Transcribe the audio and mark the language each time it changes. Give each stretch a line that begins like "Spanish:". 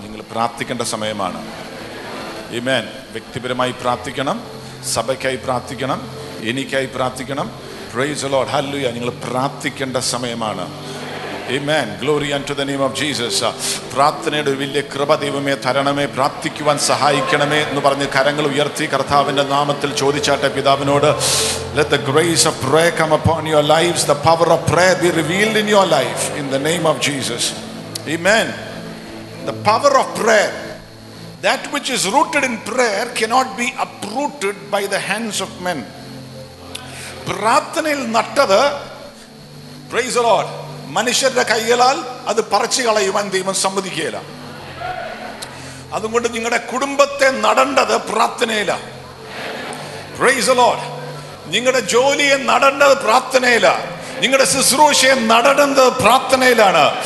Malayalam: നിങ്ങൾ പ്രാർത്ഥിക്കേണ്ട സമയമാണ്. ആമേൻ. വ്യക്തിപരമായി പ്രാർത്ഥിക്കണം, സഭയ്ക്കായി പ്രാർത്ഥിക്കണം, എനിക്കായി പ്രാർത്ഥിക്കണം.
English: praise the Lord,
Malayalam: hallelujah. നിങ്ങൾ പ്രാർത്ഥിക്കേണ്ട സമയമാണ്. Amen.
English: Glory unto the name of Jesus.
Malayalam: പ്രാർത്ഥനയുടെ വലിയ കൃപ ദൈവമേ തരണമേ, പ്രാർത്ഥിക്കുവാൻ സഹായിക്കണമേ എന്ന് പറഞ്ഞ് കരങ്ങൾ ഉയർത്തി കർത്താവിന്റെ നാമത്തിൽ ചോദിച്ചാട്ടെ പിതാവിനോട്.
English: Let the grace of prayer come upon your lives. The power of prayer be revealed in your life in the name of Jesus. Amen. The power of prayer, that which is rooted in prayer, cannot be uprooted by the hands of men.
Malayalam: പ്രാർത്ഥനയിൽ നട്ടത്,
English: praise the Lord,
Malayalam: മനുഷ്യരുടെ കൈകളാൽ അത് പറിച്ചു കളയുവാൻ ദൈവം സമ്മതിക്കുകയില്ല. അതുകൊണ്ട് നിങ്ങളുടെ കുടുംബത്തെ നടണ്ടത് പ്രാർത്ഥനയില.
English: Praise the Lord.
Malayalam: നിങ്ങളുടെ ജോലിയെ നടണ്ടത് പ്രാർത്ഥനയില. നിങ്ങളുടെ ശുശ്രൂഷയെ നടണ്ടത് പ്രാർത്ഥനയിലാണ്.